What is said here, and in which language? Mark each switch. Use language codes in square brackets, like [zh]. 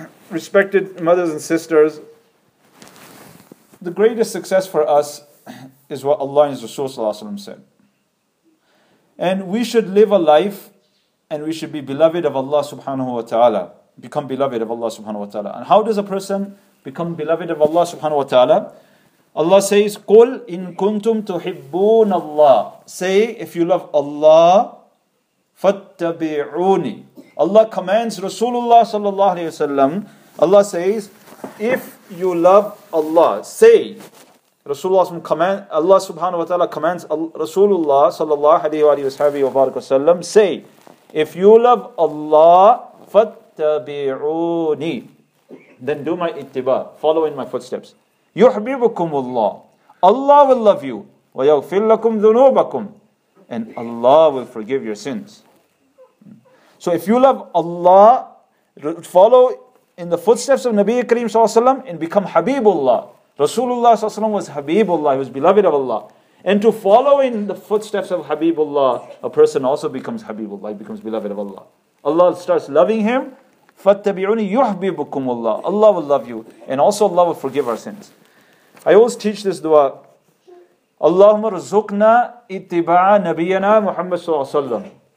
[en] respected mothers and sisters, the greatest success for us is what Allah and His Rasul Sallallahu Alaihi Wasallam said. And we should live a life and we should be beloved of Allah Subhanahu Wa Ta'ala. Become beloved of Allah Subhanahu Wa Ta'ala. And how does a person become beloved of Allah Subhanahu Wa Ta'ala? Allah says, [ar] قُلْ إِن كُنْتُمْ تُحِبُّونَ اللَّهِ. [en] Say, if you love Allah, [ar] فَاتَّبِعُونِ. [en] Allah commands Rasulullah Sallallahu Alaihi Wasallam. Allah says, if you love Allah, say, Rasulullah commands, Allah Subhanahu Wa Ta'ala commands Rasulullah Sallallahu Alaihi Wasallam, say, if you love Allah, [ar] فَاتَّبِعُونِ. [en] Then do my ittiba, follow in my footsteps. [ar] يُحْبِبُكُمُ اللَّهُ. [en] Allah will love you. [ar] وَيَغْفِرْ لَكُمْ ذُنُوبَكُمْ. [en] And Allah will forgive your sins. So if you love Allah, follow in the footsteps of Nabi Kareem Sallallahu Alaihi Wasallam and become Habibullah. Rasulullah Sallallahu Alaihi Wasallam was Habibullah, he was beloved of Allah. And to follow in the footsteps of Habibullah, a person also becomes Habibullah, he becomes beloved of Allah. Allah starts loving him. [ar] فَاتَّبِعُونِ يُحْبِبُكُمُ اللَّهُ. [en] Allah will love you and also Allah will forgive our sins. I always teach this dua. [ar] اللهم رزقنا اتباع نبينا محمد صلى الله عليه وسلم.